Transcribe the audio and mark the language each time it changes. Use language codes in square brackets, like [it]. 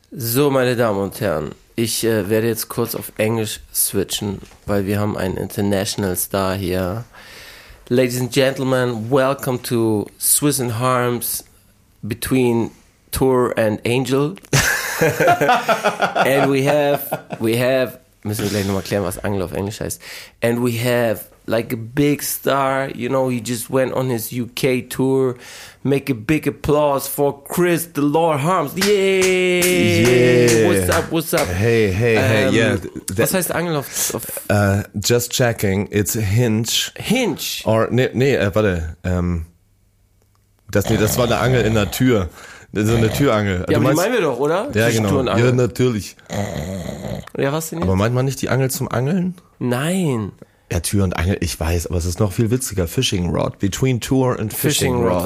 [de] So, meine Damen und Herren, ich werde jetzt kurz auf Englisch switchen, weil wir haben einen International Star hier. [en] Ladies and Gentlemen, welcome to Swiss and Harms between Tour and Angel. And müssen wir gleich nochmal klären, was Angel auf Englisch heißt. And we have like a big star, you know, he just went on his UK tour. Make a big applause for Chris the Lord Harms. Yay! Yeah. What's up, what's up? Hey, hey, hey, yeah. [de] Was heißt Angel auf [en] Just checking, it's Hinge. Hinge? [de] Or, warte. Das war eine Angel in der Tür. Das ist so eine Türangel. Ja, aber die meinen wir doch, oder? Ja, genau. Ja, natürlich. Ja, was denn jetzt? Aber meint man nicht die Angel zum Angeln? Nein. Ja, Tür und Angel, ich weiß, aber es ist noch viel witziger. [en] Fishing Rod. Between Tour and Fishing Rod.